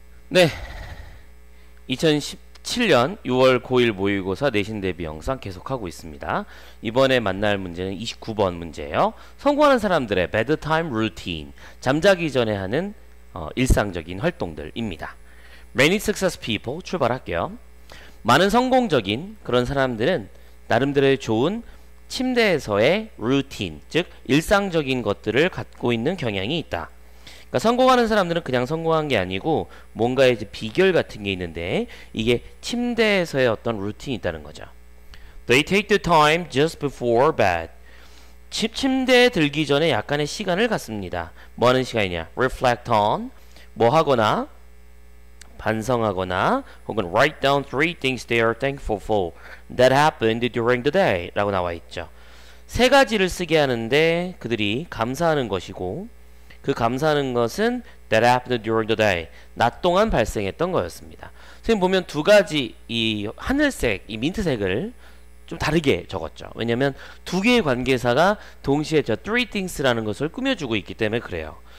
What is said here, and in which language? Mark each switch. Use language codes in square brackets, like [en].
[ko] 네, 2017년 6월 고1 모의고사 내신 대비 영상 계속하고 있습니다. 이번에 만날 문제는 29번 문제예요. 성공하는 사람들의 [en] bedtime routine, [ko] 잠자기 전에 하는 일상적인 활동들입니다. [en] Many successful people, [ko] 출발할게요. 많은 성공적인 그런 사람들은 나름대로의 좋은 침대에서의 routine, 즉 일상적인 것들을 갖고 있는 경향이 있다. 그러니까 성공하는 사람들은 그냥 성공한 게 아니고 뭔가의 이제 비결 같은 게 있는데 이게 침대에서의 어떤 루틴이 있다는 거죠. [en] They take the time just before bed. [ko] 침대에 들기 전에 약간의 시간을 갖습니다. 뭐 하는 시간이냐? [en] Reflect on, [ko] 뭐 하거나 반성하거나 혹은 [en] write down three things they are thankful for that happened during the day [ko] 라고 나와 있죠. 세 가지를 쓰게 하는데 그들이 감사하는 것이고 그 감사하는 것은 [en] that happened during the day, [ko] 낮 동안 발생했던 거였습니다. 선생님 보면 두 가지 이 하늘색, 이 민트색을 좀 다르게 적었죠. 왜냐하면 두 개의 관계사가 동시에 저 [en] three things [ko] 라는 것을 꾸며주고 있기 때문에 그래요.